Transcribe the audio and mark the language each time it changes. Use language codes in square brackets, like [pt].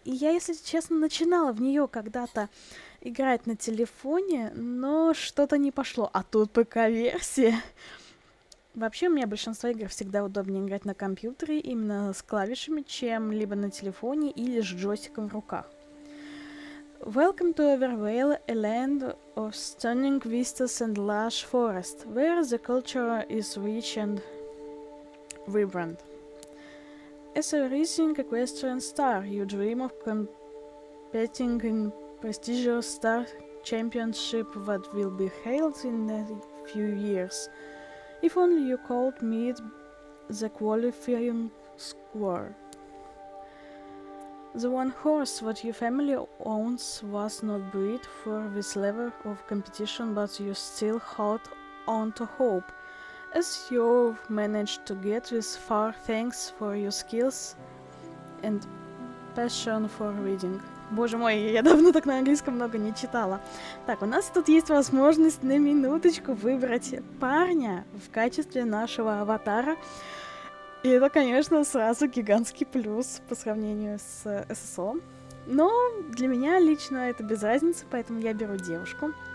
[ru] И я, если честно, начинала в нее когда-то играть на телефоне, но что-то не пошло. А тут ПК-версия. Вообще, у меня большинство игр всегда удобнее играть на компьютере, именно с клавишами, чем либо на телефоне или с джойстиком в руках. [en] Welcome to Overvale, a land of stunning vistas and lush forest, where the culture is rich and vibrant. As a rising equestrian star, you dream of competing in prestigious star championship that will be held in a few years. If only you could meet the qualifying squad. The one horse that your family owns was not bred for this level of competition, but you still hold on to hope. As you've managed to get this far, thanks for your skills and passion for reading. [ru] Боже мой, я давно так на английском много не читала. Так, у нас тут есть возможность на минуточку выбрать парня в качестве нашего аватара. И это, конечно, сразу гигантский плюс по сравнению с SSO. Но для меня лично это без разницы, поэтому я беру девушку.